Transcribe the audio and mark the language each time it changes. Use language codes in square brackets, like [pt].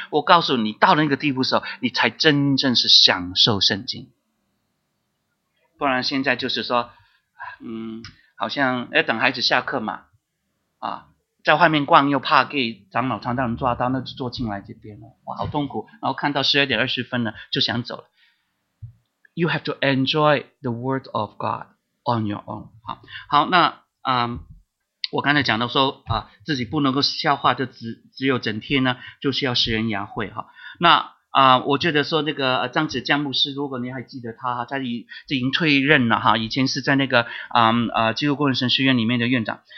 [zh] 我告诉你，到了那个地步的时候，你才真正是享受圣经。不然现在就是说好像要等孩子下课嘛啊，在外面逛又怕给长老传道人抓到，那就坐进来这边了，哇好痛苦，然后看到12点20分了就想走了。 [en] You have to enjoy the word of God on your own。 [zh] 好，那我刚才讲到说自己不能够消化，就只有整天呢就是要食人牙慧。那我觉得说那个张子江牧师，如果你还记得他，他已经退任了哈，以前是在那个基督工人神学院里面的院长。